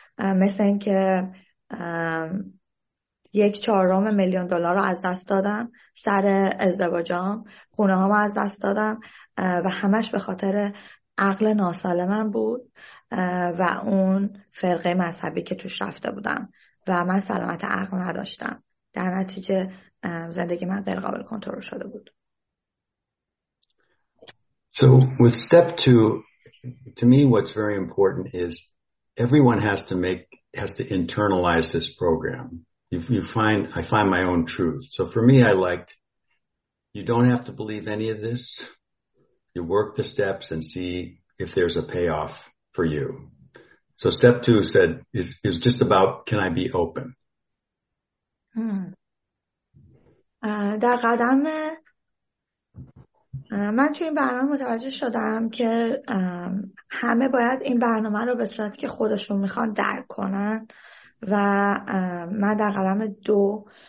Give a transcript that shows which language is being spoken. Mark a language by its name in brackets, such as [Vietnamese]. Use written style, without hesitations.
[Persian] مثل این که یک چهارم میلیون دلار رو از دست دادم سر ازدواجام، خونه هامو از دست دادم و همش به خاطر عقل ناسالمم بود و اون فرقه مذهبی که توش رفته بودم و من سلامت عقل نداشتم. در نتیجه زندگی من غیر قابل کنترل شده بود. [English] So with step two, to me what's very important is everyone has to internalize this program. I find my own truth. So for me, I liked, you don't have to believe any of this. You work the steps and see if there's a payoff for you. So step two said, is just about, can I be open? [Persian] در قدم من توی این برنامه متوجه شدم که همه باید این برنامه رو به صورتی که خودشون میخوان درک کنن. و من در قدم دو